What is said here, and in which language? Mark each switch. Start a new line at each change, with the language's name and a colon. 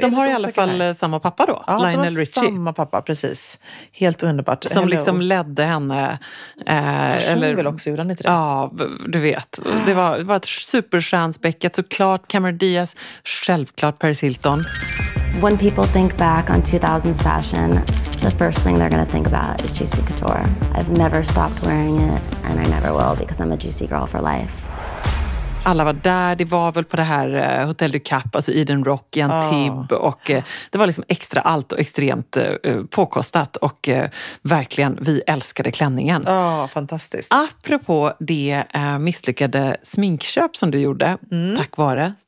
Swedish: de har i alla fall här? Samma pappa då, ja, Lionel Richie. Samma pappa, precis. Helt underbart. Som Hello. Liksom ledde henne. Eller väl också, gjorde han inte det? Ja, du vet. Det var ett superstjärnspäckat, såklart Cameron Diaz, självklart Paris Hilton.
English: When people think back on 2000s fashion, the first thing they're going to think about is Juicy Couture. I've never stopped wearing it, and I never will, because I'm a juicy girl for life.
Swedish: Alla var där, det var väl på det här Hotel du Cap, alltså Eden Rock, Antibes, och det var liksom extra allt och extremt påkostat, och verkligen, vi älskade klänningen. Ja, fantastiskt. Apropå det misslyckade sminkköp som du gjorde, tack vare...